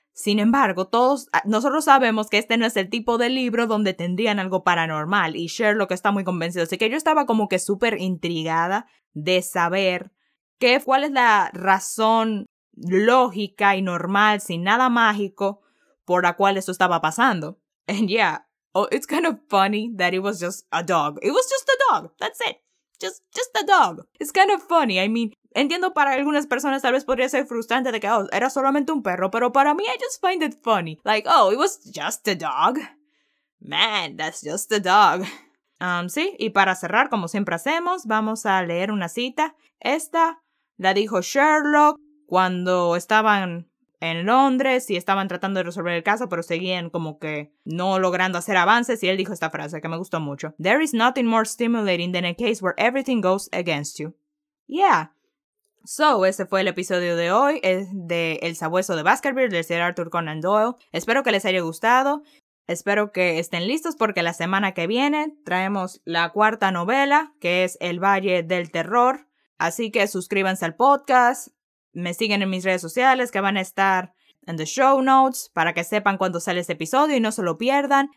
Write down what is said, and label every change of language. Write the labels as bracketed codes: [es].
[es] Sin embargo, todos nosotros sabemos que este no es el tipo de libro donde tendrían algo paranormal, y Sherlock está muy convencido. Así que yo estaba como que súper intrigada de saber cuál es la razón lógica y normal, sin nada mágico, por la cual eso estaba pasando. [en] And yeah, oh, it's kind of funny that it was just a dog. It was just a dog, that's it. Just a dog. It's kind of funny, I mean, [es] entiendo para algunas personas tal vez podría ser frustrante de que, oh, era solamente un perro, pero para mí, [en] I just find it funny. Like, oh, it was just a dog. Man, that's just a dog. [es] Sí, y para cerrar, como siempre hacemos, vamos a leer una cita. Esta la dijo Sherlock cuando estaban en Londres y estaban tratando de resolver el caso, pero seguían como que no logrando hacer avances, y él dijo esta frase que me gustó mucho. [en] There is nothing more stimulating than a case where everything goes against you. Yeah. [es] So, ese fue el episodio de hoy de El Sabueso de Baskerville, del señor Arthur Conan Doyle. Espero que les haya gustado. Espero que estén listos porque la semana que viene traemos la cuarta novela, que es El Valle del Terror. Así que suscríbanse al podcast. Me siguen en mis redes sociales que van a estar en [en] the show notes [es] para que sepan cuándo sale este episodio y no se lo pierdan.